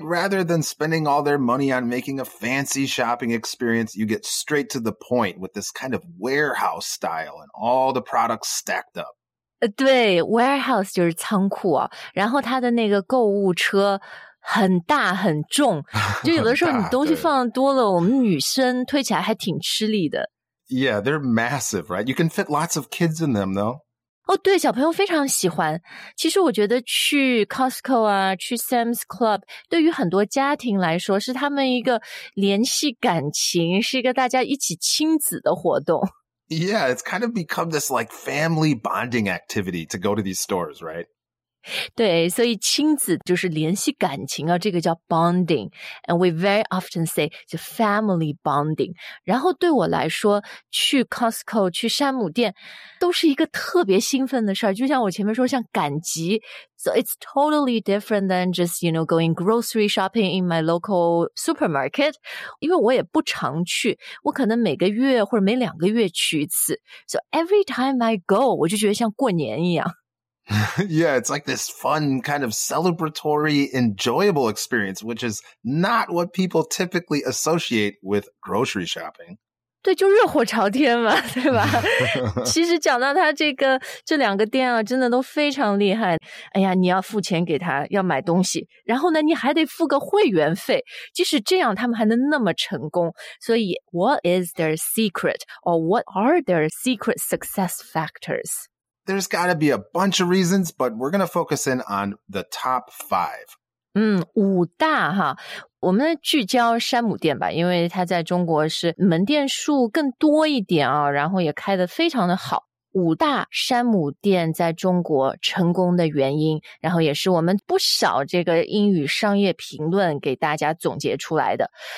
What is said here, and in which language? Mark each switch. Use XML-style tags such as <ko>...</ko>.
<en>Rather than spending all their money on making a fancy shopping experience, you get straight to the point with this kind of warehouse style and all the products stacked up.</en> <zh>对 ,warehouse 就是仓库啊，然后它的那个购物车很大很重，就有的时候你东西放多了，我们女生推起来还挺吃力的。</zh> <en>Yeah, they're massive, right? You can fit lots of kids in them, though.</en> <zh>哦，对，小朋友非常喜欢。其实我觉得去 Costco 啊，去 Sam's Club， 对于很多家庭来说，是他们一个联系感情，是一个大家一起亲子的活动。</zh> <en>Yeah, it's kind of become this like family bonding activity to go to these stores, right?</en> <zh>对，所以亲子就是联系感情啊，这个叫 bonding.</zh> <en>And we very often say 就 family bonding.</en> <zh>然后对我来说，去 Costco, 去山姆店都是一个特别兴奋的事儿，就像我前面说像赶集。</zh> <en>So it's totally different than just, you know, going grocery shopping in my local supermarket.</en> <zh>因为我也不常去，我可能每个月或者每两个月去一次。</zh> <en>So every time I go,</en> <zh>我就觉得像过年一样。</zh> <en>Yeah, it's like this fun kind of celebratory, enjoyable experience, which is not what people typically associate with grocery shopping.</en> <zh>对，就热火朝天嘛，对吧？其实讲到他这个这两个店啊，真的都非常厉害。哎呀，你要付钱给他，要买东西，然后呢，你还得付个会员费。即使这样，他们还能那么成功。</zh> <en>所以 ，what is their secret, or what are their secret success factors? There's got to be a bunch of reasons, but we're going to focus in on the top five.</en> <zh>五大哈，我们聚焦山姆店吧，因为它在中国是门店数更多一点啊，然后也开得非常的好。五大山姆店在中国成功的原因，然后也是我们不少这个英语商业评论给大家总结出来的。</zh>